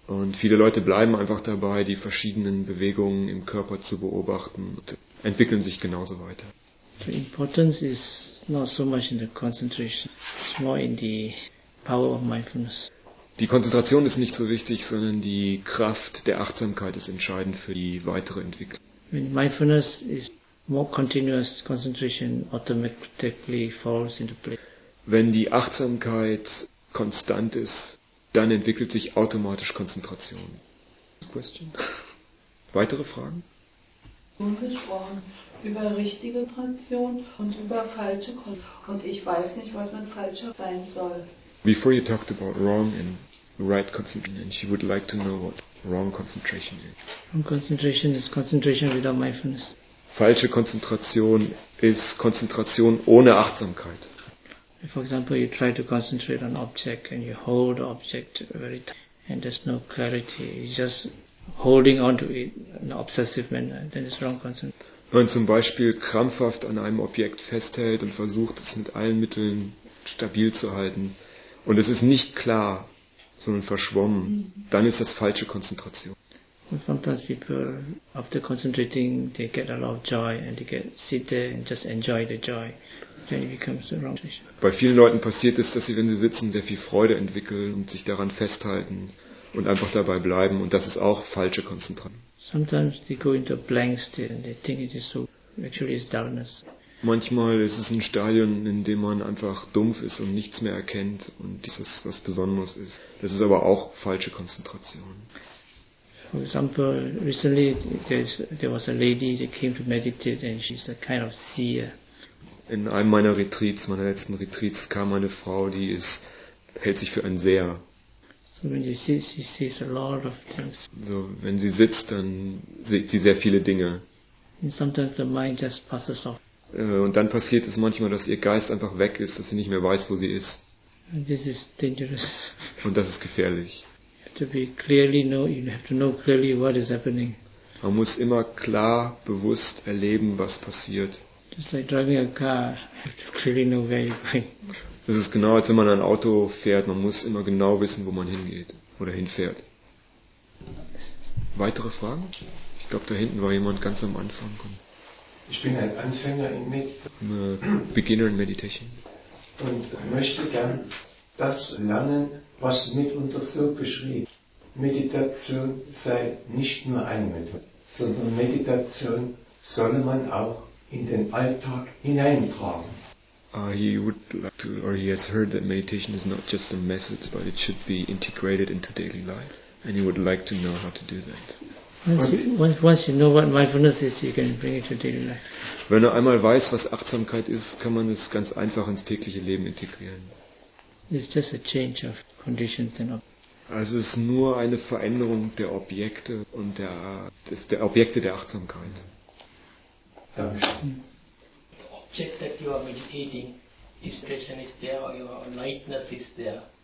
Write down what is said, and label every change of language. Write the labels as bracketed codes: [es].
[de] Und viele Leute bleiben einfach dabei, die verschiedenen Bewegungen im Körper zu beobachten und entwickeln sich genauso weiter. [en] The importance is not so much in the concentration, it's more in the power of mindfulness. [de] Die Konzentration ist nicht so wichtig, sondern die Kraft der Achtsamkeit ist entscheidend für die weitere Entwicklung. [en] When mindfulness is more continuous, concentration automatically falls into place. [de] Wenn die Achtsamkeit konstant ist, dann entwickelt sich automatisch Konzentration. [en] Question. [de] Weitere Fragen? Gesprochen über richtige Konzentration und über falsche Konzentration. Und ich weiß nicht, was mit falscher sein soll. [en] Before you talked about wrong and right concentration, and she would like to know what wrong concentration is. Wrong concentration is concentration without mindfulness. [de] Falsche Konzentration ist Konzentration ohne Achtsamkeit. [en] For example, you try to concentrate on object and you hold the object very tight and there's no clarity. You're just holding on to it in an obsessive manner, then it's wrong concentration. [de] Wenn man zum Beispiel krampfhaft an einem Objekt festhält und versucht, es mit allen Mitteln stabil zu halten, und es ist nicht klar, sondern verschwommen, dann ist das falsche Konzentration. [en] And sometimes people, after concentrating, they get a lot of joy and they get sit there and just enjoy the joy. Then it becomes the wrong concentration. [de] Bei vielen Leuten passiert es, dass sie, wenn sie sitzen, sehr viel Freude entwickeln und sich daran festhalten und einfach dabei bleiben. Und das ist auch falsche Konzentration. [en] Sometimes they go into a blank state and they think it is so. Actually, it's dullness. [de] Manchmal ist es ein Stadion, in dem man einfach dumpf ist und nichts mehr erkennt und dieses was Besonderes ist. Das ist aber auch falsche Konzentration. [en] For example, recently there was a lady that came to meditate and she's a kind of seer. [de] In einem meiner Retreats, meiner letzten Retreats, kam eine Frau, die hält sich für einen Seher. [en] So when you sit, she sees a lot of things. [de] So wenn sie sitzt, dann sieht sie sehr viele Dinge. [en] And sometimes the mind just passes off. [de] Und dann passiert es manchmal, dass ihr Geist einfach weg ist, dass sie nicht mehr weiß, wo sie ist. [en] And this is dangerous. [de] Und das ist gefährlich. Man muss immer klar, bewusst erleben, was passiert. [en] Just like driving a car, you have to clearly know where you're going. [de] Das ist genau, als wenn man ein Auto fährt. Man muss immer genau wissen, wo man hingeht oder hinfährt. Weitere Fragen? Ich glaube, da hinten war jemand ganz am Anfang. Ich bin ein Anfänger in Meditation. [en] Beginner in Meditation. [de] Und möchte gern das lernen, was mitunter so beschrieb. Meditation sei nicht nur eine Methode, sondern Meditation solle man auch in den Alltag hineintragen. [en] He would like to, or he has heard that meditation is not just a method, but it should be integrated into daily life. And he would like to know how to do that. Once you know what mindfulness is, you can bring it to daily life. [de] Wenn man einmal weiß, was Achtsamkeit ist, kann man es ganz einfach ins tägliche Leben integrieren. [en] It's just a change of conditions and objects. [de] Also es ist nur eine Veränderung der Objekte und der Objekte der Achtsamkeit. Dankeschön. [en] The object that you are meditating, inspiration is there or your lightness is there.